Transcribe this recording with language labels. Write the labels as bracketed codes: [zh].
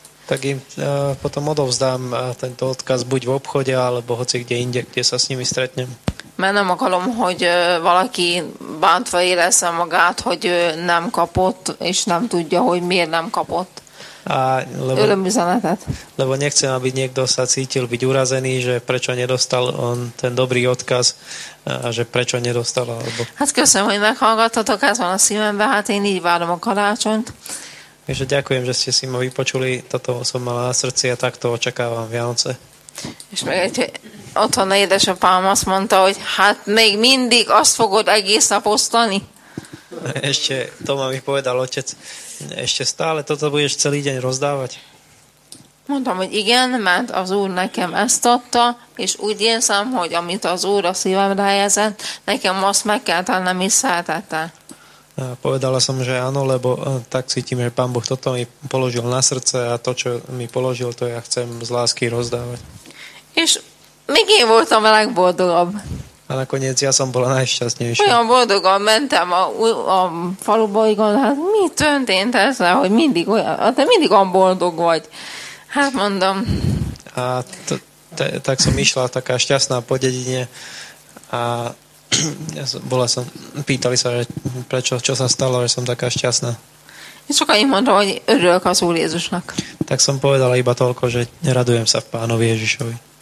[sk] tak im potom odovzdám tento odkaz buď v obchode, alebo hoci kde inde, kde sa s nimi stretnem. [hu] Mert nem akarom, hogy valaki bántva érezze magát, hogy nem kapott, és nem tudja, hogy miért nem kapott örömüzenetet. [sk] Lebo nechcem, aby niekto sa cítil byť urazený, že prečo nedostal on ten dobrý odkaz, a že prečo nedostal. Alebo... [hu] Hát köszönöm, hogy meghallgattatok, ez van a szívembe, hát én így várom a karácsonyt. [sk] Takže ďakujem, že ste si ma vypočuli, toto som mal na srdci a takto očakávam Vianoce. [hu] És meg egy otthon édesapám azt mondta, hogy hát még mindig azt fogod egész nap osztani. [sk] Ešte to ma mi povedal otec, ešte stále toto budeš celý deň rozdávať. [hu] Mondtam, hogy igen, mert az Úr nekem ezt adta, és úgy érzem, hogy amit az Úr a szívemre helyezett, nekem azt meg kell tennem is szeretettel. [sk] Povedala som, že áno, lebo tak cítim, že Pán Boh toto mi položil na srdce a to, čo mi položil, to ja chcem z lásky rozdávať. [hu] És még én voltam a legboldogabb. [sk] A nakoniec ja som bola najšťastnejšia. [hu] Olyan boldogom, mentem a faluba, hogy gondolom, hát mi történt ez, hogy mindig olyan, te mindig olyan boldog vagy. Hát mondom. [sk] A tak som išla taká šťastná po dedine a bola som, pýtali sa, prečo, čo sa stalo, že som taká šťastná. [hu] Csak annyit mondom, hogy örülök az Úr Jézusnak. [sk] Tak som povedala iba toľko, že radujem sa v Pánovi Ježišovi.